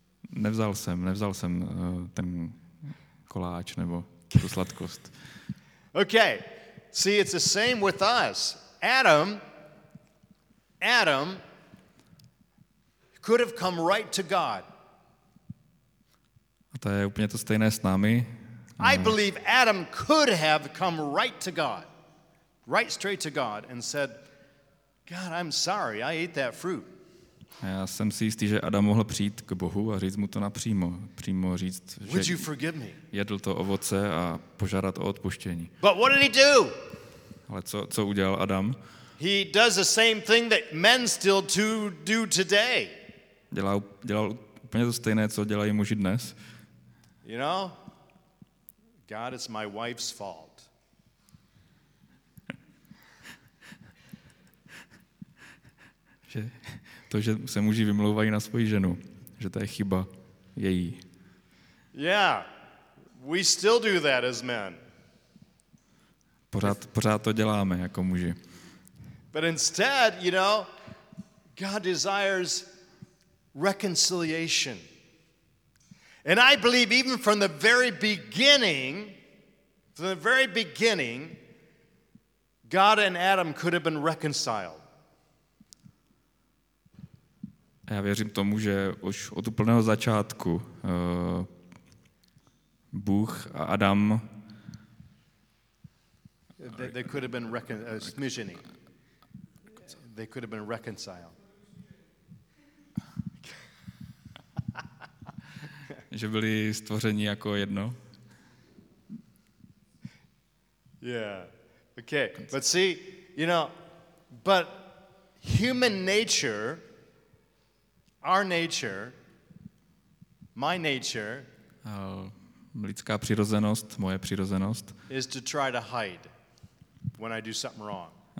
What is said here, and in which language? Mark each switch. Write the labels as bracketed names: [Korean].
[Czech] Nevzal jsem ten koláč nebo tu sladkost. [English] Okay. See, it's the same with us. Adam could have come right to God. [Czech] A to je úplně to stejné s námi. [English] I believe Adam could have come right to God. Right straight to God and said, God, I'm sorry, I ate that fruit. [Czech] Já jsem si jistý, že Adam mohl přijít k Bohu a říct mu to napřímo. Přímo říct, že jedl to ovoce a požádat o odpuštění. [English] But what did he do? [Czech] Ale co udělal Adam? [English] He does the same thing that men still do today. [Czech] Dělal úplně to stejné, co dělají muži dnes. [English] You know, God, it's my wife's fault. [Czech] To, že se muži vymlouvají na svoji ženu, že to je chyba její. [English] Yeah, we still do that as men. [Czech] Pořád to děláme jako muži. [English] But instead, you know, God desires reconciliation. And I believe even from the very beginning, God and Adam could have been reconciled. [Czech] Já věřím tomu, že už od úplného začátku Bůh a Adam [English] they could have been [Czech] smiženi. [English] They could have been reconciled. [Czech] Že byli stvořeni jako jedno. [English] Yeah. Okay. But see, you know, but human nature, our nature, my nature, [Czech] lidská přirozenost, moje přirozenost, [English] is to try to hide when I do something wrong.